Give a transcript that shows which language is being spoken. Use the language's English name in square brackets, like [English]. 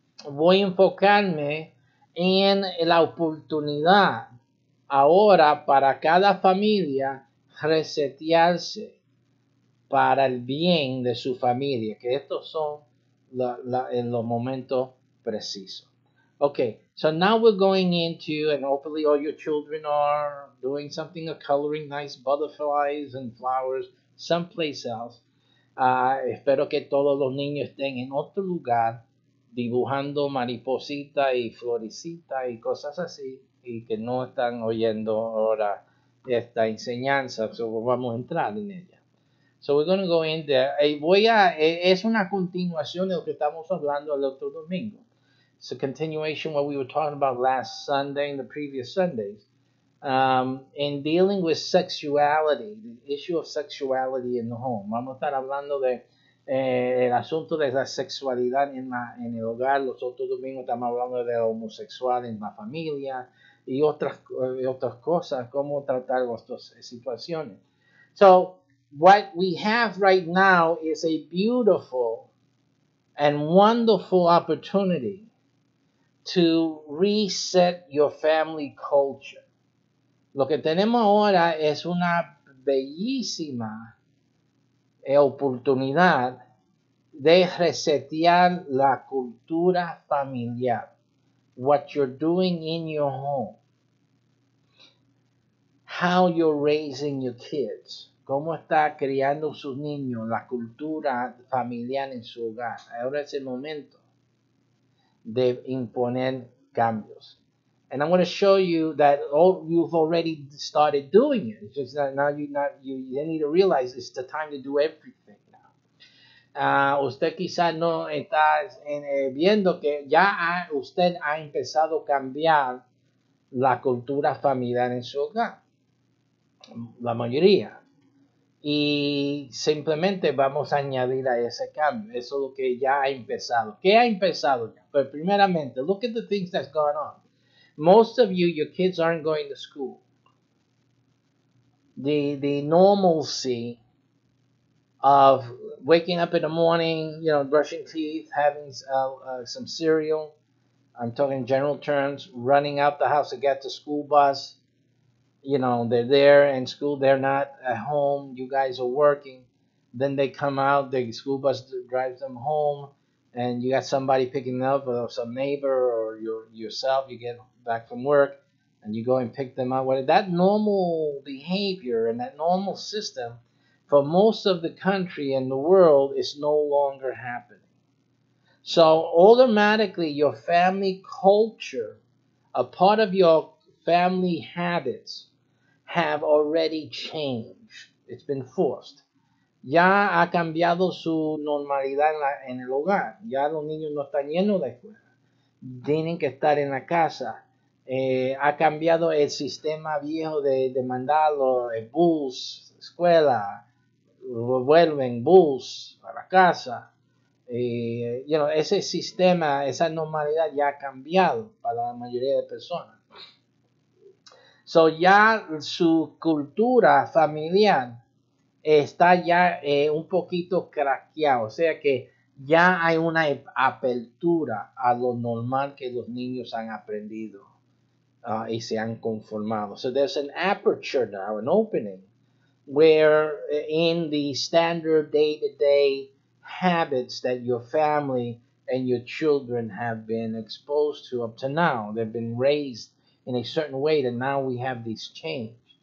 [Spanish] voy a enfocarme en la oportunidad ahora para cada familia resetearse para el bien de su familia, que estos son en los momentos precisos. [English] Okay, so now we're going into, and hopefully all your children are doing something of coloring nice butterflies and flowers someplace else. [Spanish] Espero que todos los niños estén en otro lugar dibujando mariposita y florecita y cosas así, y que no están oyendo ahora esta enseñanza, so vamos a entrar en ella. [English] So we're going to go in there. [Spanish] Es una continuación de lo que estamos hablando el otro domingo. [English] It's a continuation of what we were talking about last Sunday and the previous Sundays. In dealing with sexuality, the issue of sexuality in the home. [Spanish] Vamos a estar hablando de el asunto de la sexualidad en el hogar. Los otros domingos estamos hablando de homosexual en la familia y otras cosas, cómo tratar estas situaciones. [English] So, what we have right now is a beautiful and wonderful opportunity to reset your family culture. [Spanish] Lo que tenemos ahora es una bellísima oportunidad de resetear la cultura familiar, [English] what you're doing in your home, how you're raising your kids, [Spanish] cómo está criando sus niños, la cultura familiar en su hogar. Ahora es el momento de imponer cambios. [English] And I'm going to show you that you've already started doing it. It's just that now you need to realize it's the time to do everything. [Spanish] Usted quizás no está viendo que ya usted ha empezado a cambiar la cultura familiar en su hogar, la mayoría. Y simplemente vamos a añadir a ese cambio, eso es lo que ya ha empezado. ¿Qué ha empezado ya? Pues primeramente, [English] look at the things that's going on. Most of you, your kids aren't going to school. The normalcy of waking up in the morning, you know, brushing teeth, having some cereal, I'm talking general terms, running out the house to get the school bus, you know, they're there in school, they're not at home, you guys are working, then they come out, the school bus drives them home, and you got somebody picking up, or some neighbor, or yourself, you get back from work, and you go and pick them up. Well, that normal behavior and that normal system for most of the country and the world is no longer happening. So automatically your family culture, a part of your family habits, have already changed. It's been forced. [Spanish] Ya ha cambiado su normalidad en el hogar. Ya los niños no están yendo a la escuela. Tienen que estar en la casa. Ha cambiado el sistema viejo de mandarlo, el bus, escuela, vuelven bus a la casa. You know, ese sistema, esa normalidad ya ha cambiado para la mayoría de personas. So ya su cultura familiar está ya un poquito craqueado. O sea que ya hay una apertura a lo normal que los niños han aprendido y se han conformado. [English] So there's an aperture now, an opening, where in the standard day-to-day habits that your family and your children have been exposed to up to now. They've been raised in a certain way that now we have this change.